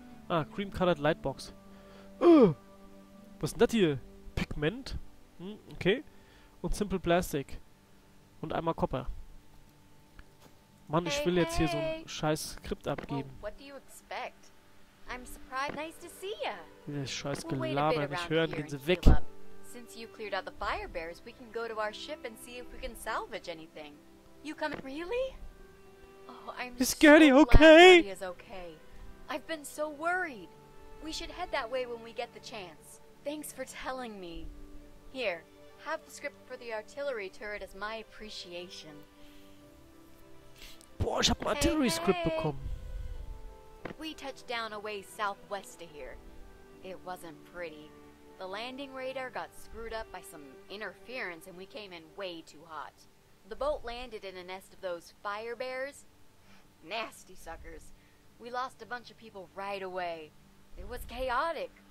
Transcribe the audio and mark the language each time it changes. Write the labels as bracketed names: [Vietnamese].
[German] Ah, Cream-Colored Lightbox. Was ist denn das hier? Pigment? Okay. Und Simple Plastic. Und einmal Copper. Mann, ich will jetzt hier so ein scheiß Skript abgeben. [English] Well, what do you expect? I'm surprised. Nice to see ya. [German] Dieses scheiß Gelaber, nicht hören, gehen sie weg. [English] Since you cleared out the fire bears, we can go to our ship and see if we can salvage anything. You coming? Really? Oh, I'm so glad he is okay. I've been so worried. We should head that way when we get the chance. Thanks for telling me. Here, have the script for the artillery turret as my appreciation. [German] Boah, ich hab ein Artillery Script bekommen. [English] We touched down away southwest of here. It wasn't pretty. The landing radar got screwed up by some interference and we came in way too hot. The boat landed in a nest of those fire bears. Nasty suckers. We lost a bunch of people right away. It was chaotic.